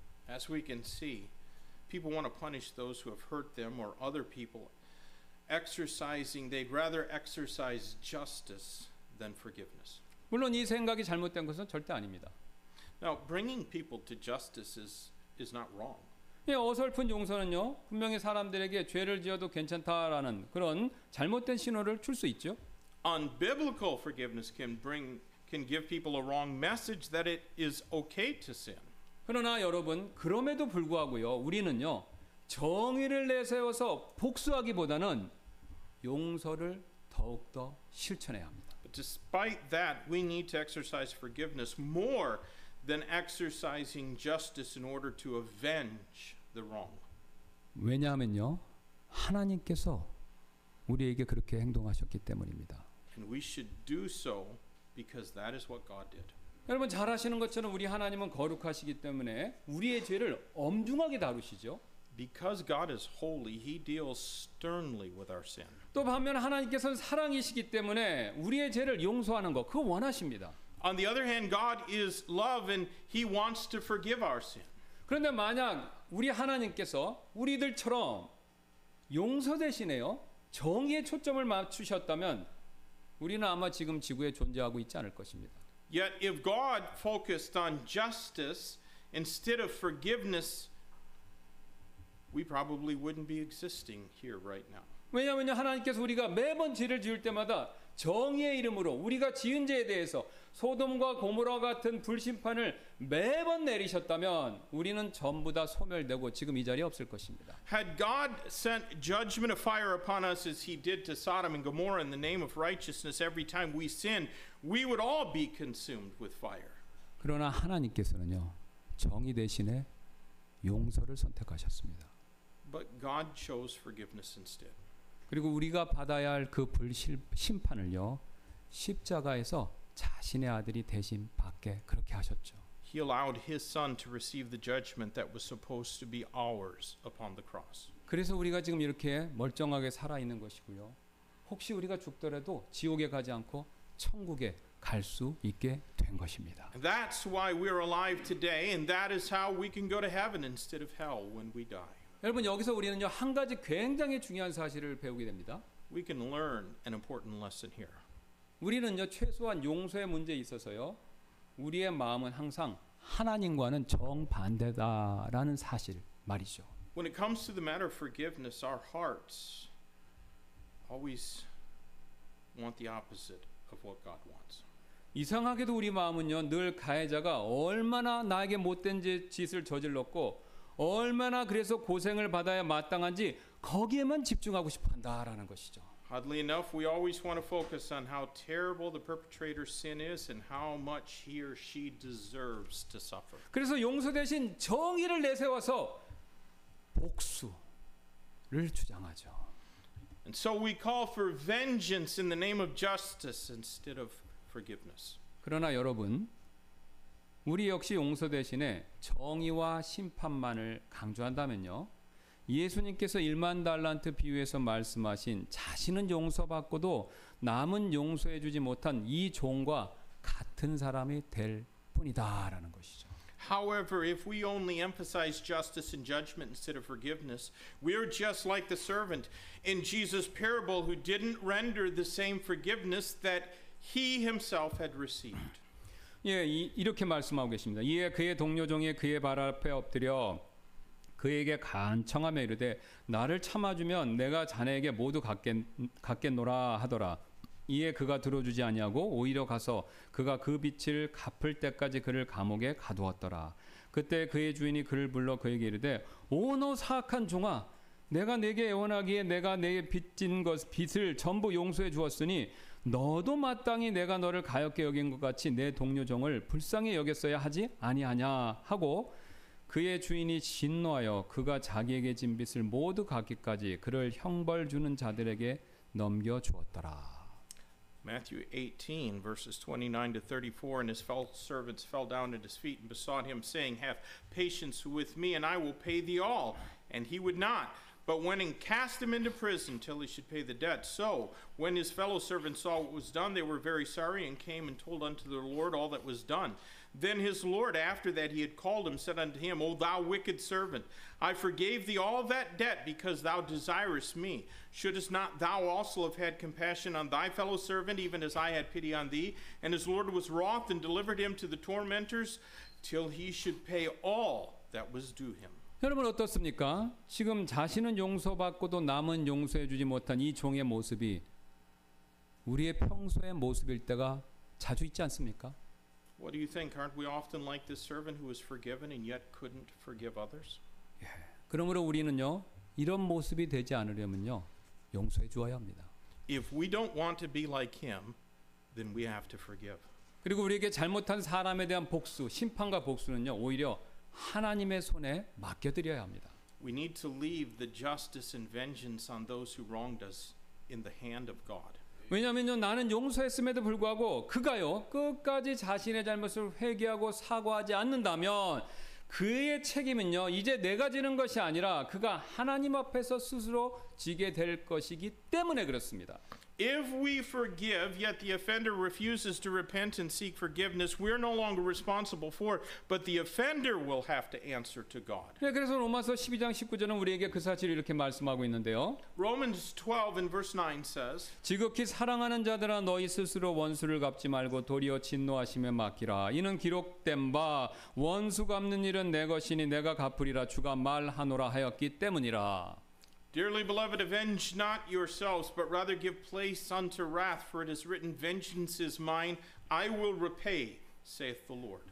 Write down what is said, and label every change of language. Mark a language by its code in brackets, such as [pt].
[en] As we can see, people want to punish those who have hurt them or other people. They'd rather exercise justice than forgiveness. [ko] 물론 이 생각이 잘못된 것은 절대 아닙니다. [en] Now, bringing people to justice is not wrong. [ko] 예, 어설픈 용서는요, 분명히 사람들에게 죄를 지어도 괜찮다라는 그런 잘못된 신호를 줄 수 있죠. [en] Unbiblical forgiveness can give people a wrong message that it is okay to sin. [ko] 그러나 여러분, 그럼에도 불구하고요, 우리는요, 정의를 내세워서 복수하기보다는 용서를 더욱더 실천해야 합니다. [en] But despite that, we need to exercise forgiveness more than exercising justice in order to avenge the wrong. [ko] 왜냐하면요, 하나님께서 우리에게 그렇게 행동하셨기 때문입니다. [en] And we should do so because that is what God did. [ko] 여러분 잘 아시는 것처럼 우리 하나님은 거룩하시기 때문에 우리의 죄를 엄중하게 다루시죠. [en] Because God is holy, He deals sternly with our sin. [ko] 또 반면 하나님께서는 사랑이시기 때문에 우리의 죄를 용서하는 것 그거 원하십니다. [en] On the other hand, God is love and He wants to forgive our sin. [ko] 그런데 만약 우리 하나님께서 우리들처럼 용서 대신에요 정의에 초점을 맞추셨다면 우리는 아마 지금 지구에 존재하고 있지 않을 것입니다. [en] Yet if God focused on justice instead of forgiveness, we probably wouldn't be existing here right now. [ko] 왜냐하면 하나님께서 우리가 매번 죄를 지을 때마다 정의의 이름으로 우리가 지은 죄에 대해서 소돔과 고모라 같은 불심판을 매번 내리셨다면 우리는 전부 다 소멸되고 지금 이 자리에 없을 것입니다. [en] Had God sent judgment of fire upon us as he did to Sodom and Gomorrah in the name of righteousness every time we sinned, we would all be consumed with fire. [ko] 그러나 하나님께서는요, 정의 대신에 용서를 선택하셨습니다. [en] But God chose forgiveness instead. [ko] 그리고 우리가 받아야 할 그 불심판을요, 십자가에서 자신의 아들이 대신 받게 그렇게 하셨죠. [en] He allowed his son to receive the judgment that was supposed to be ours upon the cross. [ko] 그래서 우리가 지금 이렇게 멀쩡하게 살아 있는 것이고요. 혹시 우리가 죽더라도 지옥에 가지 않고 천국에 갈 수 있게 된 것입니다. [en] That's why we are alive today and that is how we can go to heaven instead of hell when we die. [ko] 여러분 여기서 우리는요 한 가지 굉장히 중요한 사실을 배우게 됩니다. [en] We can learn an important lesson here. [ko] 우리는요 최소한 용서의 문제에 있어서요 우리의 마음은 항상 하나님과는 정반대다라는 사실 말이죠. [en] When it comes to the matter of forgiveness, our hearts always want the opposite of what God wants. [ko] 이상하게도 우리 마음은요 늘 가해자가 얼마나 나에게 못된 짓을 저질렀고 얼마나 그래서 고생을 받아야 마땅한지 거기에만 집중하고 싶어한다라는 것이죠. [en] Oddly enough, we always want to focus on how terrible the perpetrator's sin is and how much he or she deserves to suffer. [ko] 그래서 용서 대신 정의를 내세워서 복수를 주장하죠. [en] And so we call for vengeance in the name of justice instead of forgiveness. [ko] 그러나 여러분, 우리 역시 용서 대신에 정의와 심판만을 강조한다면요. 예수님께서 1만 달란트 비유에서 말씀하신 자신은 용서받고도 남은 용서해 주지 못한 이 종과 같은 사람이 될 뿐이다라는 것이죠. [en] However, if we only emphasize justice and judgment instead of forgiveness, we are just like the servant in Jesus' parable who didn't render the same forgiveness that he himself had received. [ko] 예, 이렇게 말씀하고 계십니다. 이에 그의 동료 종이 그의 발 앞에 엎드려 그에게 간청하며 이르되 나를 참아주면 내가 자네에게 모두 갚겠노라 하더라. 이에 그가 들어주지 아니하고 오히려 가서 그가 그 빚을 갚을 때까지 그를 감옥에 가두었더라. 그때 그의 주인이 그를 불러 그에게 이르되 오너 사악한 종아 내가 네게 애원하기에 내가 네게 빚진 것 빚을 전부 용서해 주었으니 너도 마땅히 내가 너를 가엾게 여긴 것 같이 내 동료 종을 불쌍히 여겼어야 하지 아니하냐 하고 그의 주인이 진노하여 그가 자기에게 진 빚을 모두 갚기까지 그를 형벌 주는 자들에게 넘겨 주었더라. [en] Matthew 18 verses 29 to 34 and his fellow servants fell down at his feet and besought him saying have patience with me and I will pay thee all and he would not but went and cast him into prison till he should pay the debt so when his fellow servants saw what was done they were very sorry and came and told unto their lord all that was done then his lord after that he had called him said unto him O thou wicked servant I forgave thee all that debt because thou desirest me shouldest not thou also have had compassion on thy fellow servant even as I had pity on thee and his lord was wroth and delivered him to the tormentors till he should pay all that was due him [ko] 여러분 어떻습니까? 지금 자신은 용서받고도 남은 용서해 주지 못한 이 종의 모습이 우리의 평소의 모습일 때가 자주 있지 않습니까? [en] What do you think? Aren't we often like this servant who was forgiven and yet couldn't forgive others? [ko] 예. 그러므로 우리는요 이런 모습이 되지 않으려면요 용서해 주어야 합니다. [en] If we don't want to be like him, then we have to forgive. [ko] 그리고 우리에게 잘못한 사람에 대한 복수, 심판과 복수는요 오히려 하나님의 손에 맡겨드려야 합니다. [en] We need to leave the justice and vengeance on those who wronged us in the hand of God. [ko] 왜냐하면 나는 용서했음에도 불구하고 그가요 끝까지 자신의 잘못을 회개하고 사과하지 않는다면 그의 책임은요 이제 내가 지는 것이 아니라 그가 하나님 앞에서 스스로 지게 될 것이기 때문에 그렇습니다. [en] If we forgive, yet the offender refuses to repent and seek forgiveness, we're no longer responsible for it, but the offender will have to answer to God. [ko] 네, 그래서 로마서 12장 19절은 우리에게 그 사실을 이렇게 말씀하고 있는데요. [en] Romans 12 in verse 9 says, [ko] 지극히 사랑하는 자들아 너희 스스로 원수를 갚지 말고 도리어 진노하심에 맡기라. 이는 기록된 바 원수 갚는 일은 내 것이니 내가 갚으리라 주가 말하노라 하였기 때문이라. [en] Dearly beloved, avenge not yourselves, but rather give place unto wrath, for it is written, vengeance is mine, I will repay, saith the Lord.